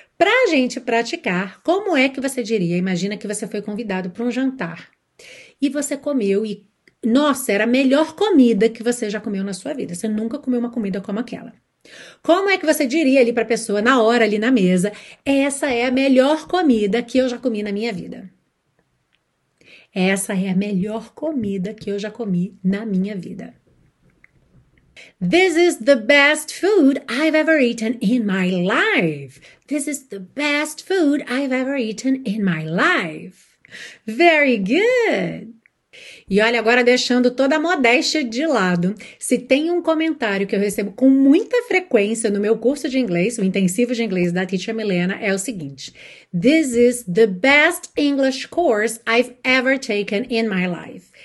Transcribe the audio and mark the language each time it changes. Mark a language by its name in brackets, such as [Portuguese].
[Portuguese] Para a gente praticar, como é que você diria? Imagina que você foi convidado para um jantar e você comeu e, nossa, era a melhor comida que você já comeu na sua vida. Você nunca comeu uma comida como aquela. Como é que você diria ali para a pessoa, na hora, ali na mesa, essa é a melhor comida que eu já comi na minha vida? Essa é a melhor comida que eu já comi na minha vida. [English] This is the best food I've ever eaten in my life. This is the best food I've ever eaten in my life. Very good. [Portuguese] E olha, agora deixando toda a modéstia de lado, se tem um comentário que eu recebo com muita frequência no meu curso de inglês, o intensivo de inglês da Teacher Milena, é o seguinte: [English] This is the best English course I've ever taken in my life.